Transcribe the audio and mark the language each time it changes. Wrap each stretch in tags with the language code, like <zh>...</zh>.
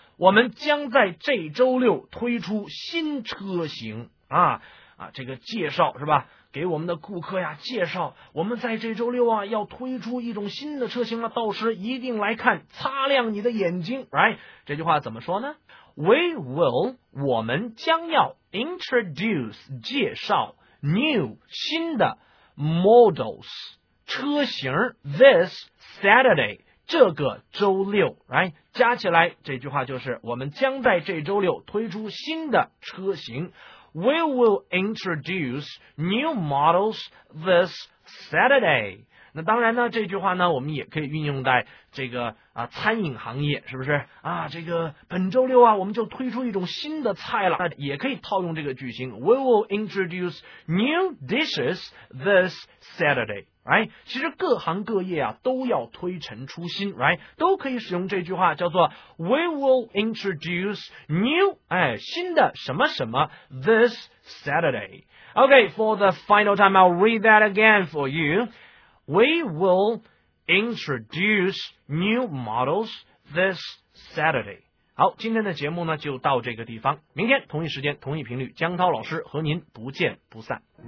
<zh>我们将在这周六推出新车型啊。啊，这个介绍是吧，给我们的顾客呀介绍，我们在这周六啊要推出一种新的车型了，到时一定来看，擦亮你的眼睛，</zh> <en>right?</en> <zh>这句话怎么说呢？</zh> <en>We will,</en> <zh>我们将要</zh> <en>introduce,</en> <zh>介绍</zh> <en>new,</en> <zh>新的</zh> <en>models,</en> <zh>车型</zh> <en>this Saturday,</en> <zh>这个周六，</zh> <en>right?</en> <zh>加起来这句话就是我们将在这周六推出新的车型。</zh> <en>We will introduce new models this Saturday.</en> <zh>那当然呢，这句话呢，我们也可以运用在这个啊餐饮行业，是不是啊？这个本周六啊，我们就推出一种新的菜了，那也可以套用这个句型 ，</zh> <en>We will introduce new dishes this Saturday。 Right?</en> <zh>其实各行各业啊都要推陈出新、</zh> <en>right?</en> <zh>都可以使用这句话叫做</zh> <en>We will introduce new、</en> <zh>哎、新的什么什么</zh> <en>this Saturday. Okay, for the final time, I'll read that again for you. We will introduce new models this Saturday.</en> <zh>好，今天的节目呢就到这个地方，明天同一时间同一频率，江涛老师和您不见不散。</zh>